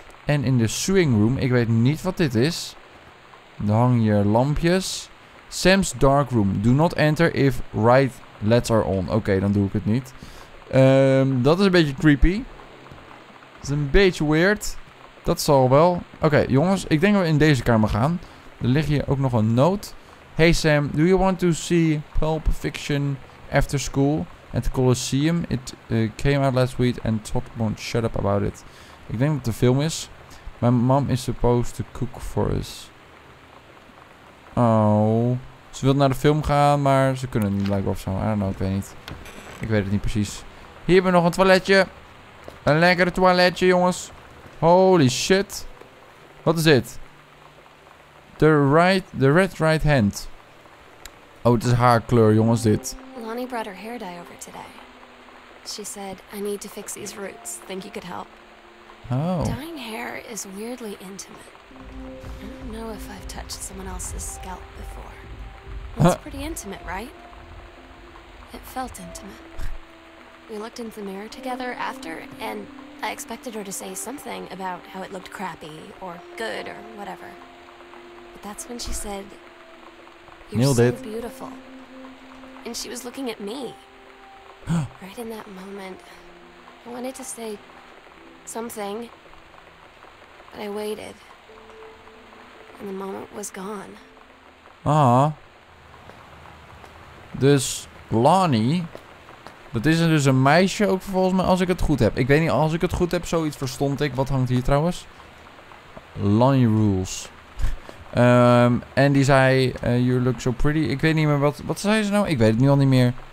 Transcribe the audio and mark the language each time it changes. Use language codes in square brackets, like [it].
[nl] En in de [en] sewing room. [nl] Ik weet niet wat dit is. Er hangen hier lampjes. [en] Sam's dark room. Do not enter if right letter on. [nl] Oké, dan doe ik het niet. Dat is een beetje creepy. Dat is een beetje weird. Dat zal wel. Oké, jongens. Ik denk dat we in deze kamer gaan. Er ligt hier ook nog een note. [en] Hey Sam, do you want to see Pulp Fiction after school at the Colosseum? It came out last week and Todd won't shut up about it. [nl] Ik denk dat het de film is. [en] My mom is supposed to cook for us. Oh. [nl] Ze wil naar de film gaan, maar ze kunnen niet blijkbaar ofzo. [en] I don't know, [nl] ik weet niet. Ik weet het niet precies. Hier hebben we nog een toiletje. Een lekkere toiletje, jongens. [en] Holy shit. [nl] Wat is dit? [en] The red right hand. [nl] Oh, het is haar kleur, jongens, dit. [en] Lonnie brought her hair dye over today. She said, I need to fix these roots. Think you could help? Oh. Dying hair is weirdly intimate. I don't know if I've touched someone else's scalp before. That's pretty intimate, right? It felt intimate. We looked in the mirror together after, and I expected her to say something about how it looked crappy or good or whatever. But that's when she said, "You're so beautiful." And she was looking at me. Right in that moment, I wanted to say something, but I waited, and the moment was gone. Ah. [nl] Dus Lonnie, dat is dus een meisje ook volgens mij, als ik het goed heb. Ik weet niet, als ik het goed heb, zoiets verstond ik. Wat hangt hier trouwens? [en] Lonnie rules. [nl] En die zei, [en] you look so pretty. [nl] Ik weet niet meer, wat zei ze nou? Ik weet het nu al niet meer.